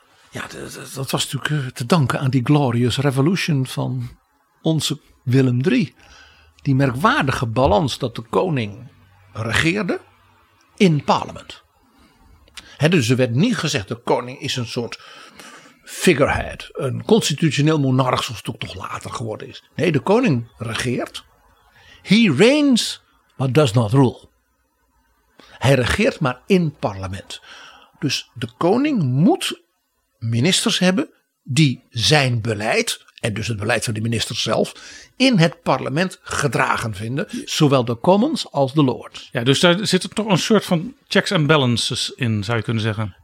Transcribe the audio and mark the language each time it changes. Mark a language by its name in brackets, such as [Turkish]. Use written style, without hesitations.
[Dutch] Ja, dat was natuurlijk te danken aan die glorious revolution van onze Willem III. Die merkwaardige balans dat de koning regeerde in parlement. Dus er werd niet gezegd de koning is een soort figurehead. Een constitutioneel monarch zoals het ook toch later geworden is. Nee, de koning regeert. [English] He reigns, but does not rule. [Dutch] Hij regeert maar in parlement. Dus de koning moet ministers hebben die zijn beleid, en dus het beleid van de minister zelf, in het parlement gedragen vinden. Zowel de commons als de lords. Ja, dus daar zit er toch een soort van checks and balances in, zou je kunnen zeggen.